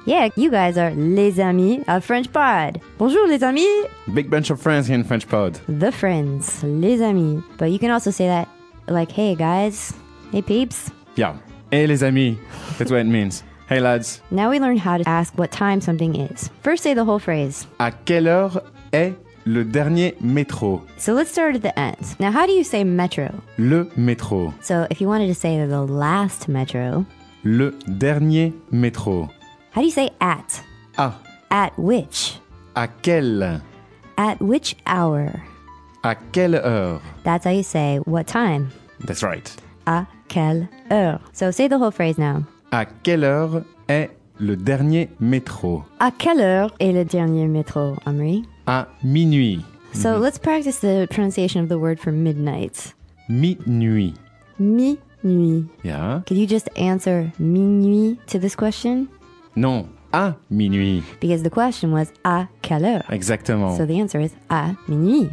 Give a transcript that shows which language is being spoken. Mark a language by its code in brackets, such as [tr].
[en] Yeah, you guys are [fr] les amis [en] of French Pod. [fr] Bonjour, les amis. [en] Big bunch of friends here in French Pod. The friends, [fr] les amis. [en] But you can also say that like, hey, guys. Hey, peeps. Yeah. [fr] Hey, les amis. [en] That's what it means. Hey, lads. Now we learn how to ask what time something is. First, say the whole phrase. [fr] À quelle heure est le dernier métro? [en] So let's start at the end. Now, how do you say metro? [fr] Le métro. [en] So if you wanted to say the last metro. [fr] Le dernier métro. [en] How do you say at? [fr] À. [en] At which? [fr] À quelle? [en] At which hour? [fr] À quelle heure? [en] That's how you say what time. That's right. [fr] À quelle heure? [en] So say the whole phrase now. [fr] À quelle heure est le dernier métro? À quelle heure est le dernier métro, Amri? À minuit. [en] So let's practice the pronunciation of the word for midnight. [fr] Minuit. Minuit. [en] Yeah. Could you just answer minuit to this question? [fr] Non, à minuit. [en] Because the question was [fr] à quelle heure. Exactement. [en] So the answer is [fr] à minuit.